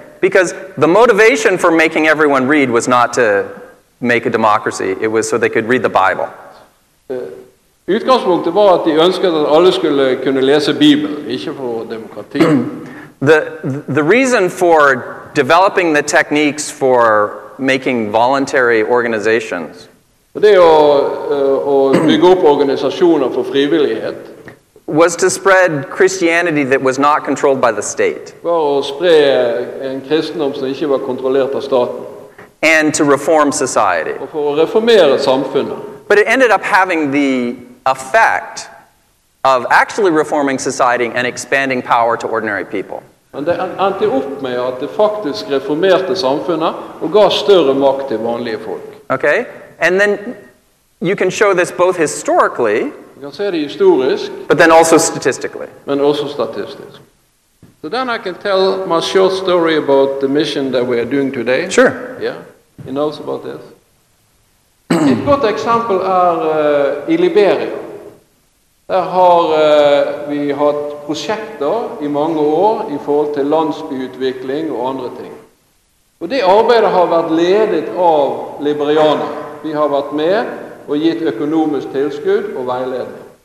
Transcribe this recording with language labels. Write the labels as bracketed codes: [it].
[en] Because the motivation for making everyone read was not to make a democracy, it was so they could read the Bible. [no] Utgangspunktet var at de ønsket at alle skulle kunne lese Bibelen, ikke for demokrati. [en] The reason for developing the techniques for making voluntary organizations. [no] Det å bygge opp organisasjoner for frivillighet. [en] Was to spread Christianity that was not controlled by the state. [no] Var å spre en kristendom som ikke var kontrollert av staten. [en] And to reform society. [no] Og for å reformere samfunnet. [en] But it ended up having the effect of actually reforming society and expanding power to ordinary people. [no] Men det endte opp med at det faktisk reformerte samfunnet og ga større makt til vanlige folk. [en] Okay, and then you can show this both historically, [no] du kan se det historisk, [en] but then also statistically. [no] Men også statistisk. [en] So then I can tell my short story about the mission that we are doing today. Sure. Yeah, he knows about this. [no] Et godt eksempel er i Liberia. Der har vi hatt prosjekter i mange år i forhold til landsbyutvikling og andre ting. Og det arbeidet har vært ledet av liberianere. Vi har vært med og gitt økonomisk tilskudd og veiledning.